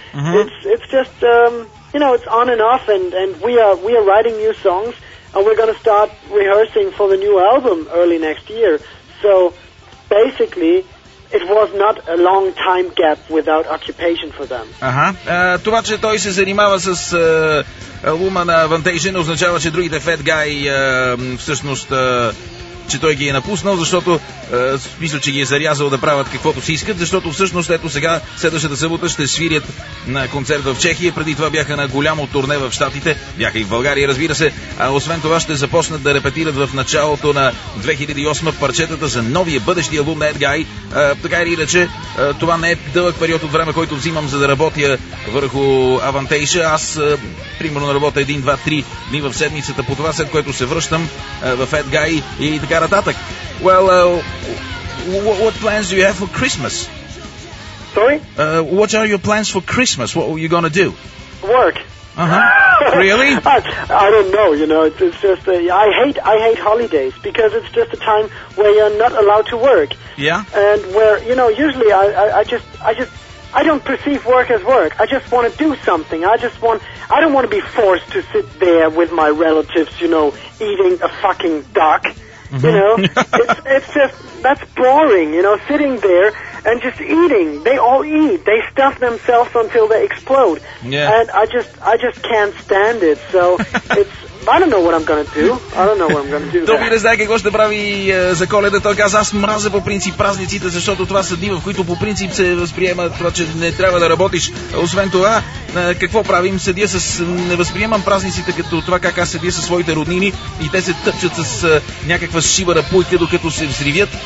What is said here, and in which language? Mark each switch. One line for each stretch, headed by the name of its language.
English: Mm-hmm. It's just you know, it's on and off, and we are writing new songs, and we're going to start rehearsing for the new album early next year. So basically, it was not a long time gap without occupation for them. Аха.
Bulgarian: Това, че той се занимава с албума на Avantasia, означава, че другите Fat Guy всъщност, че той ги е напуснал, защото мисля, че ги е зарязал да правят каквото си искат, защото всъщност ето сега, следващата събота, ще свирят на концерт в Чехия. Преди това бяха на голямо турне в Щатите, бяха и в България, разбира се. А освен това ще започнат да репетират в началото на 2008 парчетата за новия бъдещи албум на Ed Guy. Така или иначе, това не е дълъг период от време, който взимам, за да работя върху Avantasia. Аз примерно работя 1-2-3 дни в седмицата по това, след което се връщам в Ed Guy и така нататък.
English: What plans do you have for Christmas? Sorry? What are your plans for Christmas? What are you going to do? Work. Uh-huh. Really? I don't know, you know. It's just I hate holidays, because it's just a time where you're not allowed to work. Yeah. And where, you know, usually I don't perceive work as work. I just want to do something. I don't want to be forced to sit there with my relatives, you know, eating a fucking duck. You know, it's just, that's boring, you know, sitting there and just eating. They all eat. They stuff themselves until they explode. Yeah. And I just can't stand it. So it's, I don't know what I'm gonna do.
Bulgarian: Добре, знае какво ще прави за Коледа. Той каза, аз мразя по принцип празниците, защото това са дни, в които по принцип се възприема това, че не трябва да работиш. Освен това, какво правим? Не възприемам празниците като това, как аз седя със своите роднини и те се тъпчат с някаква шибара пуйка, докато се взривят.